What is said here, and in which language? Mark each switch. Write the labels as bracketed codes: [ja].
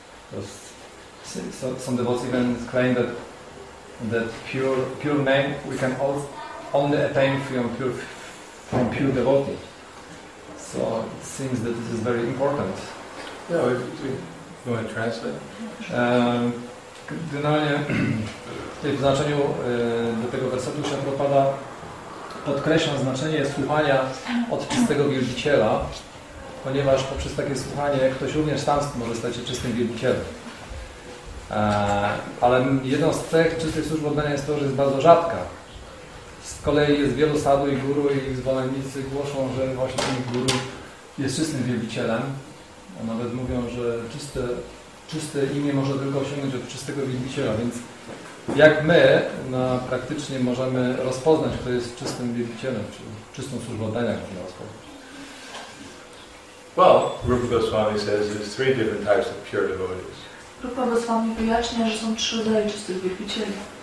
[en] Because some devotees even claim that pure name we can only attain from pure devotee. So it seems that this is very important. Yeah, do you want to translate? [pl] Generalnie w znaczeniu do tego wersetu Śr. Prabhupada podkreśla znaczenie słuchania od czystego wielbiciela, ponieważ poprzez takie słuchanie ktoś również sam może stać się czystym wielbicielem. Ale jedną z cech czystych służb oddania jest to, że jest bardzo rzadka. Z kolei jest wielu sadhu i guru i ich zwolennicy głoszą, że właśnie ten guru jest czystym wielbicielem. Nawet mówią, że czyste imię może tylko osiągnąć od czystego wielbiciela, więc jak my praktycznie możemy rozpoznać, kto jest czystym wielbicielem, czy czystą służbą oddania, można rozpoznać. [en] Well, Rupa Goswami says there's three different types of pure devotees. [pl] Rupa Goswami wyjaśnia, że są trzy rodzaje czystych wielbicieli.